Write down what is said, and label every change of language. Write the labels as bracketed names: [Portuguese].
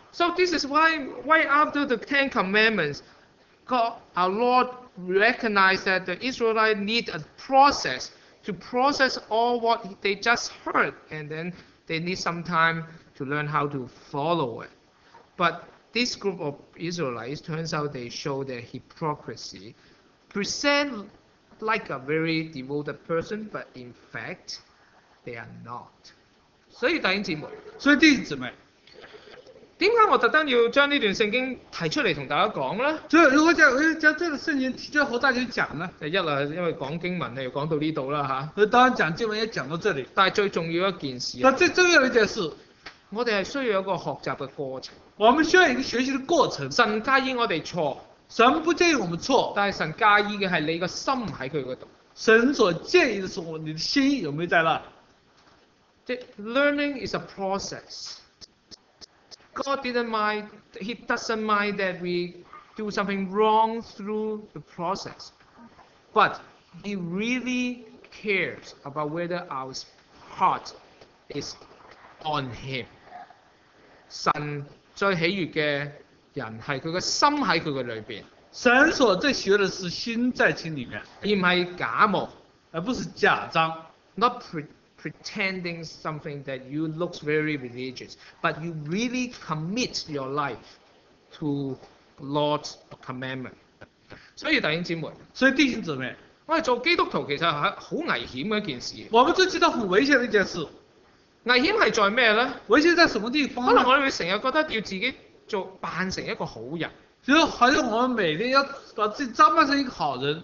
[English] So this is why after the Ten Commandments God, our Lord recognized that the Israelites need a process to process all what they just heard, and then they need some time to learn how to follow it. But this group of Israelites, turns out they show their hypocrisy, present like a very devoted person, but in fact, they are not. [Chinese] 所以弟兄姊妹，为什么我特意要将这段圣经提出来跟大家讲呢？所以如果将这段圣经提出来和大家讲呢，第一是因为讲经文就讲到这里了，当然讲经文也讲到这里，但最重要一件事，但最重要的一件事，我们是需要一个学习的过程，我们需要一个学习的过程，神介意我们错，神不介意我们错，但是神介意的是你的心在他那里，神所介意的是你的心有没有在那。 [English] Learning is a process. God didn't mind, He doesn't mind that we do something wrong through the process. But He really cares about whether our heart is on Him. [Chinese] 神最喜悦的人是他的心在他的里面。神所最喜悦的是心在心里面。而不是假冒。而不是假装。 [English] Not pretending something that you look very religious, but you really commit your life to Lord's commandment. [Chinese] 所以弟兄姊妹，我们做基督徒其实是很危险的一件事。我们都知道很危险的一件事。危险是在什么呢？危险在什么地方呢？可能我们会经常觉得要自己做扮成一个好人。就好像我们每天要把自己装扮成一个好人，